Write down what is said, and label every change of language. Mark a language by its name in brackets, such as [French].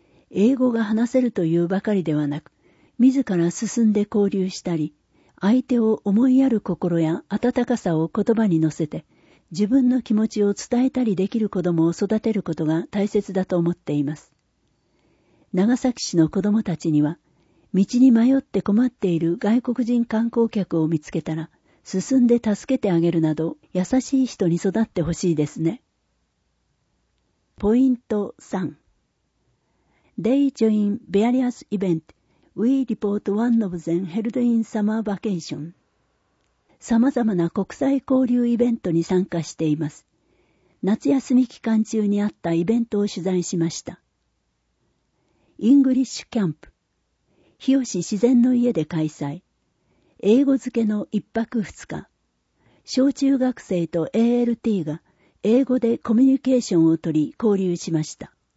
[Japanese] 英語が話せるというばかりではなく、自ら進んで交流したり、相手を思いやる心や温かさを言葉に乗せて自分の気持ちを伝えたりできる子どもを育てることが大切だと思っています。長崎市の子どもたちには、道に迷って困っている外国人観光客を見つけたら進んで助けてあげるなど、優しい人に育ってほしいですね。ポイント3。 [English] They join various event. We report one of them held in summer vacation. [Japanese] 様々な国際交流イベントに参加しています。夏休み期間中にあったイベントを取材しました。 English Camp 日吉自然の家で開催、英語漬けの1泊2日、小中学生と ALT が英語でコミュニケーションをとり交流しました。